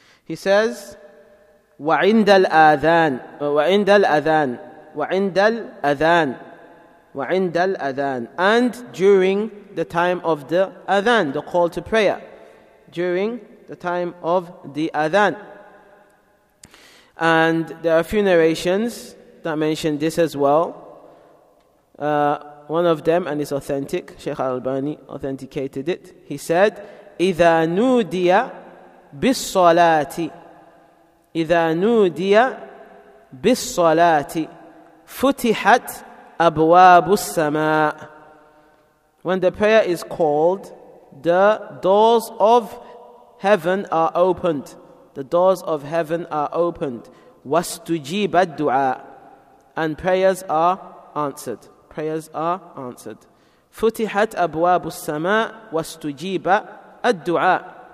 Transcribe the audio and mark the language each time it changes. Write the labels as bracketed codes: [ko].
[en] He says, [ar] وَعِنْدَ الْآذَانِ وَعِنْدَ الْآذَانِ وَعِنْدَ الْآذَانِ وَعِنْدَ الْآذَانِ. [en] And during the time of the adhan, the call to prayer. During the time of the adhan. And there are a few narrations that mention this as well. One of them, and it's authentic, Sheikh Al-Albani authenticated it. He said, [ar] إِذَا نُودِيَ بِالصَّلَاةِ إِذَا نُودِيَ بِالصَّلَاةِ فُتِحَتْ أَبْوَابُ السَّمَاءِ. [en] When the prayer is called, the doors of heaven are opened. The doors of heaven are opened. [ar] وَاسْتُجِيبَ الدُّعَاءِ. [en] And prayers are answered. Prayers are answered. [ar] فُتِحَتْ أَبْوَابُ السَّمَاءِ وَاسْتُجِيبَ الدُّعَاءِ.